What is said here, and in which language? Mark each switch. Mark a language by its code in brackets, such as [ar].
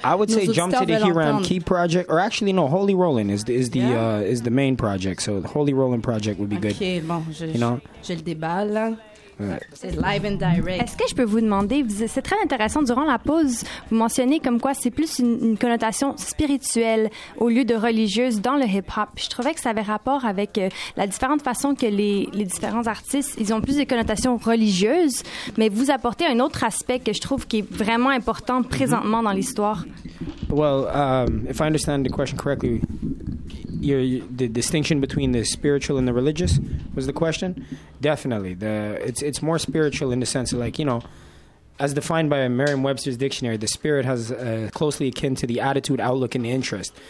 [en] I would say jump to the Hiram Key Project. Or actually, no, Holy Rolling is the is the main project. So the Holy Rolling Project would be good. [fr] Okay, bon, je le déballe là. C'est [en] live and direct. [fr] Est-ce que je peux vous demander, c'est très intéressant, durant la pause, vous mentionnez comme quoi c'est plus une connotation spirituelle au lieu de religieuse dans le hip-hop. Je trouvais que ça avait rapport avec la différente façon que les différents artistes, ils ont plus des connotations religieuses, mais vous apportez un autre aspect que je trouve qui est vraiment important présentement dans l'histoire. [en] Well, if I understand the question correctly, the distinction between the spiritual and the religious was the question? Definitely. It's more spiritual in the sense of, like, you know, As defined by Merriam-Webster's dictionary, the spirit has closely akin to the attitude, outlook, and interest.